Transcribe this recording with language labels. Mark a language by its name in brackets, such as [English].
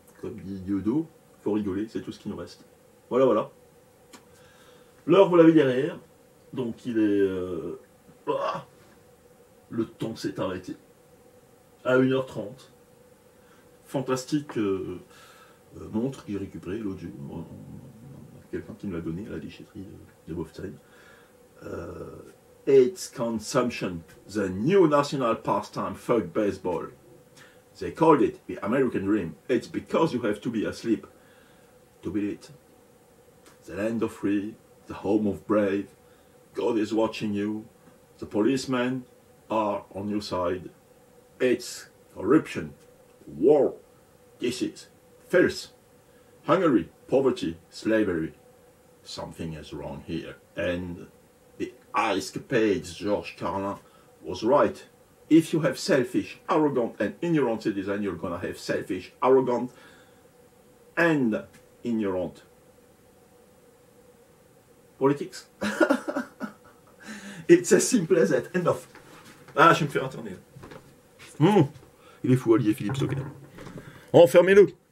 [French] Comme dit Diodo, faut rigoler, c'est tout ce qui nous reste. Voilà, voilà. L'heure, vous l'avez derrière. Donc, il est. Le temps s'est arrêté. À 1h30. Fantastique montre que j'ai récupérée, l'audio. Quelqu'un qui me l'a donné à la déchetterie de Bovetail. [English] It's consumption, the new national pastime, fuck baseball. They called it the American dream. It's because you have to be asleep to be late. The land of free, the home of brave. God is watching you. The policemen are on your side. It's corruption, war, disease, filth, hungry, poverty, slavery. Something is wrong here. And the ice capades, George Carlin, was right. If you have selfish, arrogant, and ignorant citizens, you're gonna have selfish, arrogant, and ignorant politics. It's as simple as that. End of. [French] Ah, je vais me faire interner. Il est fou, Olivier Philippe Stocker. Enfermez-le.